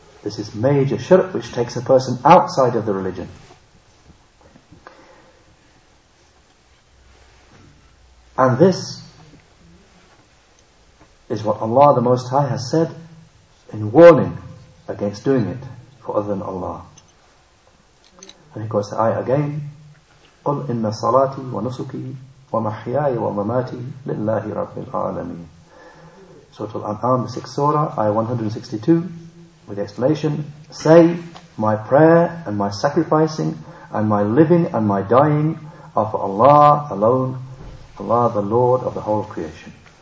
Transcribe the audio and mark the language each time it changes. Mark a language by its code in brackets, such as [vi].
[en] This is major shirk, which takes a person outside of the religion. And this is what Allah the Most High has said in warning against doing it for other than Allah. And he quotes the ayah again, [ar] قُلْ إِنَّ صَلَاتِي وَنُسُكِي وَمَحْيَايَ وَمَمَاتِي لِلَّهِ رَبِّ الْعَالَمِينَ. [en] Surah Al-An'am, 6th Surah, ayah 162, with the explanation, say, my prayer and my sacrificing and my living and my dying are for Allah alone, Allah the Lord of the whole creation.